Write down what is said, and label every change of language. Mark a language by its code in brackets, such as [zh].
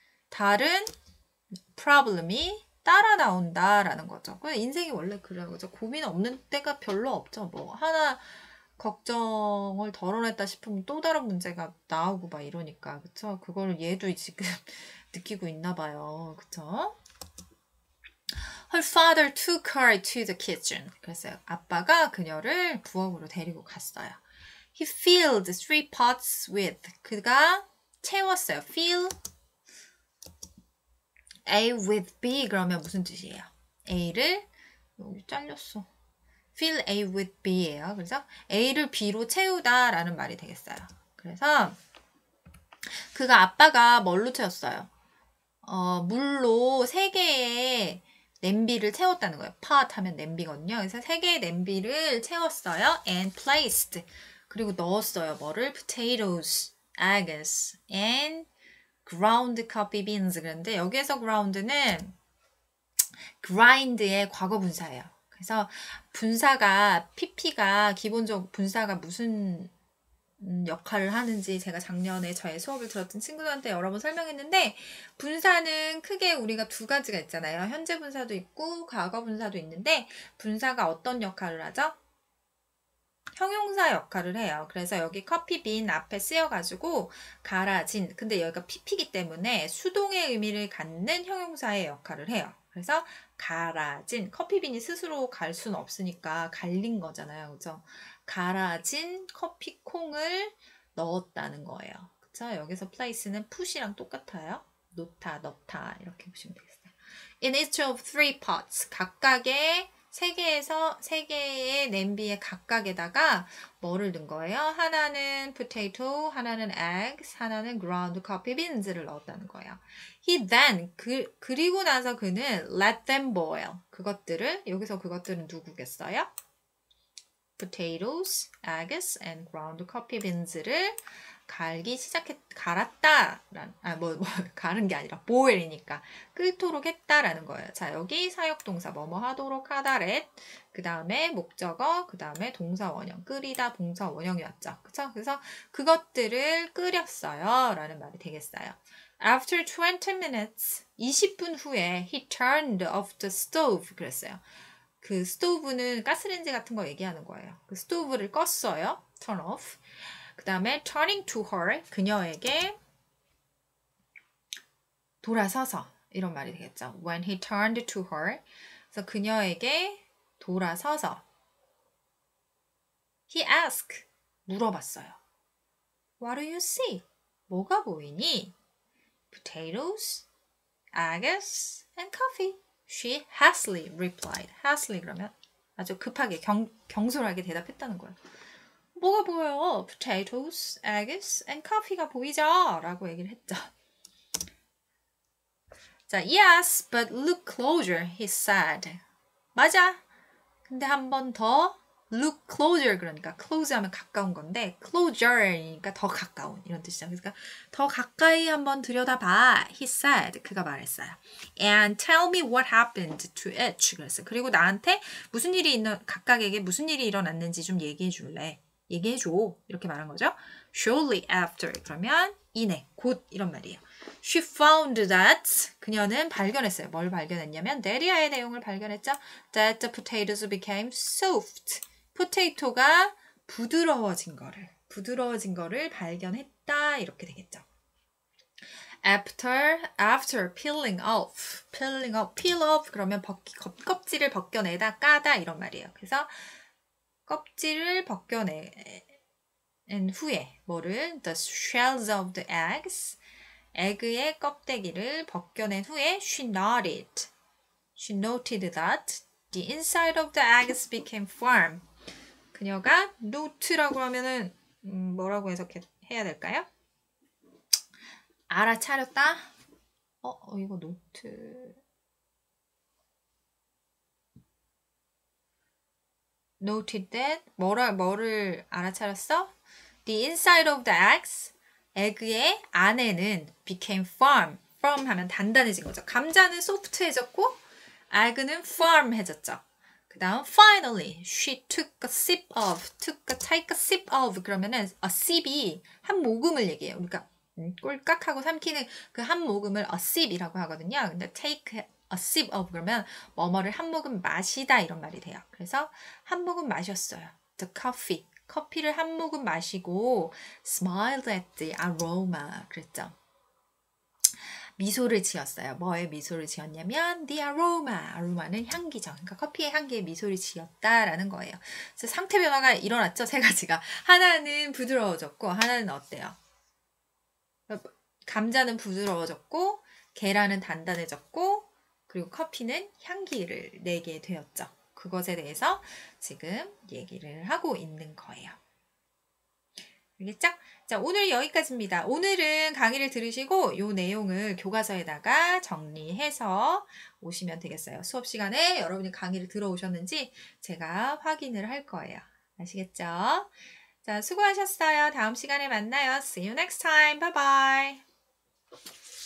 [ko] 다른 problem이 따라 나온다라는 거죠. 인생이 원래 그래요. 그죠? 고민 없는 때가 별로 없죠. 뭐, 하나 걱정을 덜어냈다 싶으면 또 다른 문제가 나오고 막 이러니까. 그쵸? 그걸 얘도 지금 느끼고 있나 봐요. 그쵸? [en] Her father took her to the kitchen. [ko] 그랬어요. 아빠가 그녀를 부엌으로 데리고 갔어요. [en] He filled three pots with. [ko] 그가 채웠어요. [en] Fill A with B. [ko] 그러면 무슨 뜻이에요? A를 여기 잘렸어. [en] Fill A with B예요. [ko] 그래서 A를 B로 채우다라는 말이 되겠어요. 그래서 그가 아빠가 뭘로 채웠어요? 물로 세 개의 냄비를 채웠다는 거예요. Pot 하면 냄비거든요. 그래서 세 개의 냄비를 채웠어요. [en] And placed. [ko] 그리고 넣었어요. 뭐를? [en] Potatoes, eggs, and ground coffee beans. [ko] 그런데 여기에서 ground는 grind의 과거 분사예요. 그래서 분사가, PP가 기본적 분사가 무슨 역할을 하는지 제가 작년에 저의 수업을 들었던 친구들한테 여러 번 설명했는데, 분사는 크게 우리가 두 가지가 있잖아요. 현재 분사도 있고 과거 분사도 있는데, 분사가 어떤 역할을 하죠? 형용사 역할을 해요. 그래서 여기 커피빈 앞에 쓰여가지고 갈아진, 근데 여기가 PP이기 때문에 수동의 의미를 갖는 형용사의 역할을 해요. 그래서 갈아진, 커피빈이 스스로 갈 수는 없으니까 갈린 거잖아요. 그죠? 갈아진 커피콩을 넣었다는 거예요. 그쵸? 여기서 place는 put이랑 똑같아요. 놓다, 넣다 이렇게 보시면 되겠어요. [en] In each of three pots, [ko] 각각의 세 개의 냄비에 각각에다가 뭐를 넣은 거예요? 하나는 potato, 하나는 eggs, 하나는 ground coffee beans를 넣었다는 거예요. [en] He then, [ko] 그리고 나서 그는 [en] let them boil. [ko] 그것들을, 여기서 그것들은 누구겠어요? [en] potatoes, eggs, and ground coffee beans [ko] 를 갈기 시작했, 갈았다라는, 아, 가는 게 아니라, boil이니까, 끓도록 했다라는 거예요. 자, 여기 사역동사, 뭐뭐 하도록 하다, let. 그 다음에 목적어, 그 다음에 동사원형, 끓이다, 동사원형이었죠. 그쵸? 그래서, 그것들을 끓였어요. 라는 말이 되겠어요. [en] After 20 minutes, [ko] 20분 후에, [en] he turned off the stove. [ko] 그랬어요. 그 스토브는 가스레인지 같은 거 얘기하는 거예요. 그 스토브를 껐어요. turn off. 그 다음에 [en] turning to her, [ko] 그녀에게 돌아서서 이런 말이 되겠죠. [en] When he turned to her, [ko] 그래서 그녀에게 돌아서서 [en] he asked, [ko] 물어봤어요. [en] What do you see? [ko] 뭐가 보이니? [en] Potatoes, eggs, and coffee. She hastily replied. [ko] Hastily 그러면 아주 급하게 경솔하게 대답했다는 거예요. 뭐가 보여? [en] Potatoes, eggs, and coffee [ko] 가 보이죠?라고 얘기를 했죠. [en] 자, yes, but look closer, he said. [ko] 맞아. 근데 한번더 look closer 그러니까 close 하면 가까운 건데 closer이니까 더 가까운 이런 뜻이죠. 그러니까 더 가까이 한번 들여다봐. [en] He said. [ko] 그가 말했어요. [en] And tell me what happened to each. [ko] 그래서 그리고 나한테 무슨 일이 있는 각각에게 무슨 일이 일어났는지 좀 얘기해 줄래? 얘기해줘. 이렇게 말한 거죠. [en] Shortly after. [ko] 그러면 이내, 곧 이런 말이에요. [en] She found that. [ko] 그녀는 발견했어요. 뭘 발견했냐면 데리아의 내용을 발견했죠. [en] That the potatoes became soft. [ko] 포테이토가 부드러워진 거를 발견했다. 이렇게 되겠죠. [en] After peeling off. Peeling off. Peel off. [ko] 그러면 껍질을 벗겨내다 까다. 이런 말이에요. 그래서 껍질을 벗겨낸 후에 뭐를 [en] the shells of the eggs [ko] 에그의 껍데기를 벗겨낸 후에 [en] she noted that the inside of the eggs became firm [ko] 그녀가 노트라고 하면은 뭐라고 해야 될까요? 알아차렸다? 이거 노트 Noted that, 뭐를 알아차렸어? [en] The inside of the eggs, [ko] 에그의 안에는 [en] became firm. [ko] firm 하면 단단해진 거죠. 감자는 소프트해졌고, 에그는 firm해졌죠. 그 다음, [en] finally, she took a sip of. [ko] 그러면은, a sip이 한 모금을 얘기해요. 그러니까, 꿀깍하고 삼키는 그한 모금을 a sip이라고 하거든요. 근데 take, A sip of 그러면 뭐뭐를 한 모금 마시다 이런 말이 돼요. 그래서 한 모금 마셨어요. [en] The coffee. [ko] 커피를 한 모금 마시고 [en] smiled at the aroma [ko] 그랬죠. 미소를 지었어요. 뭐에 미소를 지었냐면 the aroma. 아로마는 향기죠. 그러니까 커피의 향기에 미소를 지었다라는 거예요. 그래서 상태 변화가 일어났죠. 세 가지가. 하나는 부드러워졌고 하나는 어때요? 감자는 부드러워졌고 계란은 단단해졌고 그리고 커피는 향기를 내게 되었죠. 그것에 대해서 지금 얘기를 하고 있는 거예요. 알겠죠? 자, 오늘 여기까지입니다. 오늘은 강의를 들으시고 요 내용을 교과서에다가 정리해서 오시면 되겠어요. 수업 시간에 여러분이 강의를 들어오셨는지 제가 확인을 할 거예요. 아시겠죠? 자, 수고하셨어요. 다음 시간에 만나요. [en] See you next time. Bye bye.